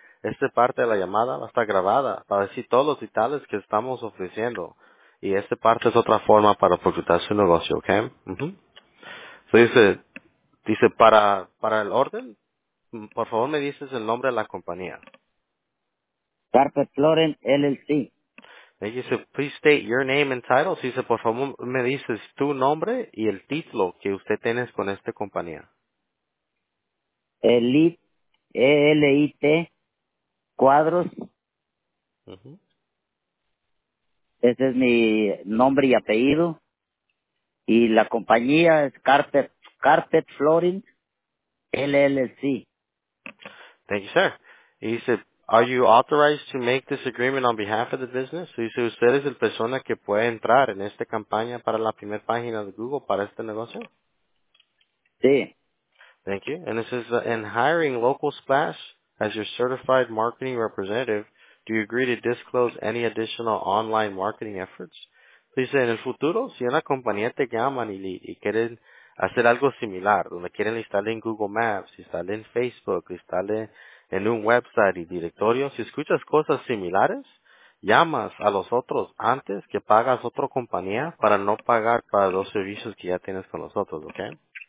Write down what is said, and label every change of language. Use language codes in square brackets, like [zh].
[es] Esta parte de la llamada va a estar grabada para decir todos los detalles que estamos ofreciendo. Y esta parte es otra forma para proyectar su negocio, ¿ok? Uh-huh. So dice para el orden, por favor me dices el nombre de la compañía. Carpet Florent LLC. Y dice, [en] please state your name and title. [es] So dice, por favor me dices tu nombre y el título que usted tiene con esta compañía. Elite, E-L-I-T, Cuadros. Uh-huh. Ese es mi nombre y apellido. Y la compañía es Carpet Flooring LLC. [en] Thank you, sir. [es] Y dice, [en] are you authorized to make this agreement on behalf of the business? [es] Y dice, ¿usted es el persona que puede entrar en esta campaña para la primera página de Google para este negocio? Sí. [en] Thank you. And it says, in hiring Local Splash as your certified marketing representative, do you agree to disclose any additional online marketing efforts? [es] Dice, en el futuro, si una compañía te llama y quieren hacer algo similar, donde quieren instalar en Google Maps, instalar en Facebook, instalar en un website y directorio, si escuchas cosas similares, llamas a los otros antes que pagas otra compañía para no pagar para los servicios que ya tienes con nosotros, ¿ok?